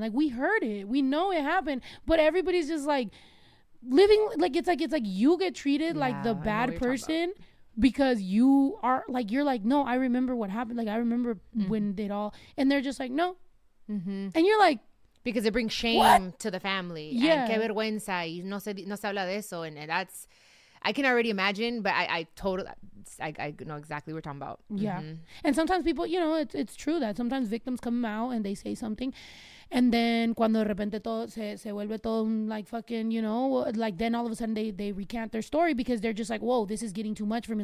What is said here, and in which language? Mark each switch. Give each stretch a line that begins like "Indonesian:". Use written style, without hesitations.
English: Like, we heard it, we know it happened, but everybody's just like living like it's like you get treated like the bad person because you are like, you're like, no, I remember what happened, like I remember when it all, and they're just like, no. And you're like, because it brings shame to the family. Yeah.
Spanish: Que vergüenza, y no se habla de eso.
English: And that's, I can already imagine, but I know exactly what we're talking about. Yeah. And sometimes people, you know, it's true that sometimes victims come out and they say something, and then
Spanish: cuando de repente todo se vuelve todo
English: like fucking, you know, like then all of a sudden they recant their story because they're just like, whoa, this is getting too much for me.